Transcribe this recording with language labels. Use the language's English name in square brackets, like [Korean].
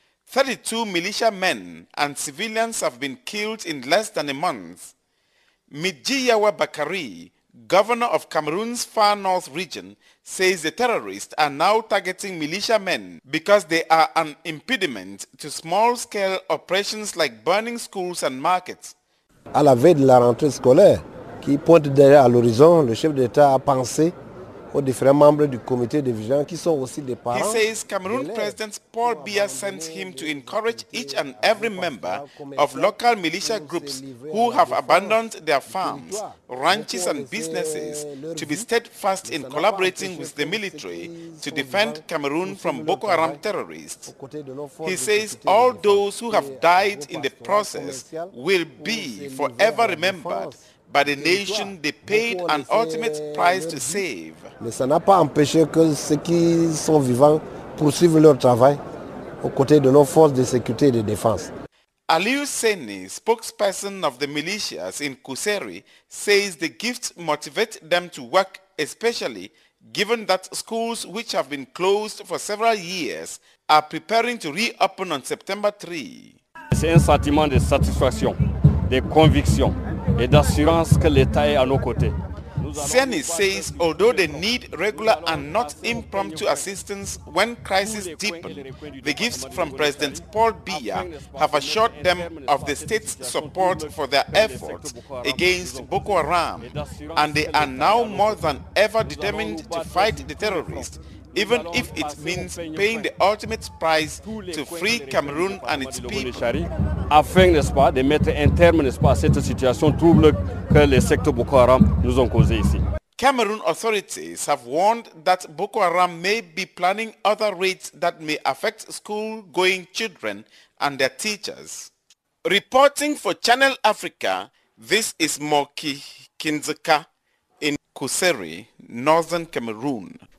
[English] 32 militia men and civilians have been killed in less than a month. Mijiyawa Bakari, governor of Cameroon's far north region, says the terrorists are now targeting militia men because they are an impediment to small-scale operations like burning schools and markets. [French] À la veille de la rentrée scolaire, qui pointe derrière à l'horizon, le chef d'État a pensé aux différents membres du comité de vigilance qui sont aussi des parents. [English] He says Cameroon President Paul Biya sent him to encourage each and every member of local militia groups who have abandoned their farms, ranches and businesses to be steadfast in collaborating with the military to defend Cameroon from Boko Haram terrorists. He says all those who have died in the process will be forever remembered by the nation they paid an ultimate price to save. [French] Mais ça n'a pas empêché que ceux qui sont vivants poursuivent leur travail aux côtés de nos forces de sécurité et de défense. [English] Aliou Seni, spokesperson of the militias in Koseri, says the gift motivates them to work, especially given that schools which have been closed for several years are preparing to reopen on September 3. [French] C'est un sentiment de satisfaction, de conviction et d'assurance que l'État est à nos côtés. [English] Seni says although they need regular and not impromptu assistance when crises deepen, the gifts from President Paul Biya have assured them of the state's support for their efforts against Boko Haram, and they are now more than ever determined to fight the terrorists, even if it means paying the ultimate price to free Cameroon and its people. [French] Afin, n'est-ce pas, de mettre un terme, n'est-ce pas, à cette situation trouble que les sectes Boko Haram nous ont causé ici. [English] Cameroon authorities have warned that Boko Haram may be planning other raids that may affect school-going children and their teachers. Reporting for Channel Africa, this is Moki Kinzeka in Kuseri, northern Cameroon.